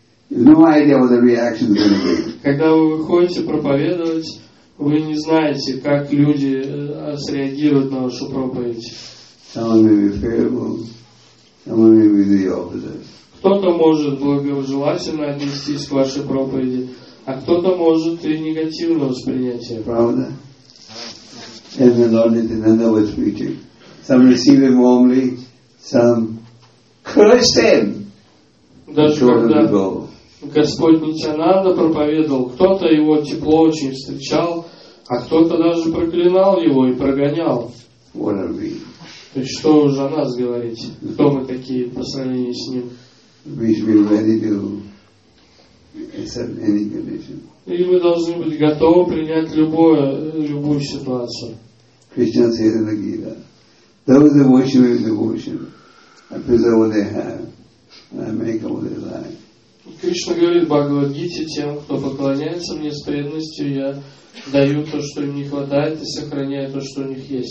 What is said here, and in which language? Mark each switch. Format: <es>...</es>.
<en>No idea what the reaction is going to be.</en> <ru>Когда вы выходите проповедовать, вы не знаете, как люди среагируют на вашу проповедь.</ru> <en>Someone may be favorable, someone may be the opposite.</en> <ru>Кто-то может благожелательно отнестись к вашей проповеди, а кто-то может и негативно воспринять ее. Правда?</ru> <en>Every Lord Nityananda was preaching. Some receive him warmly, some curse him.</en> <ru>Господь Нитянанда проповедовал, кто-то его тепло очень встречал, а кто-то даже проклинал его и прогонял.</ru> <en>What are we?</en> <ru>То есть что уже о нас говорить? Кто мы такие по сравнению с ним?</ru> <en>We should be ready to accept any condition.</en> <ru>И мы должны быть готовы принять любую ситуацию.</ru> <en>Krishna said in the Gita, those who worship with devotion, I preserve what they have, and I make all their life.</en> <ru>Кришна говорит в Бхагавад-гите, тем, кто поклоняется мне с преданностью, я даю то, что им не хватает, и сохраняю то, что у них</ru>